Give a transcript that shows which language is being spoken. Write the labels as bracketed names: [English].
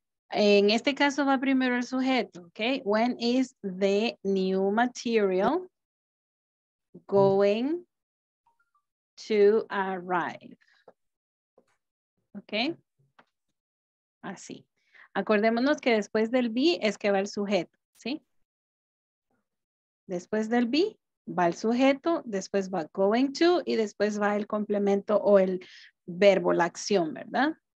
[Spanish] En este caso va primero el sujeto, okay? [English] When is the new material going to arrive? [Spanish] Okay? Así. Acordémonos que después del be es que va el sujeto, ¿sí? Después del be va el sujeto, después va going to y después va el complemento o el verbo, la acción, ¿verdad?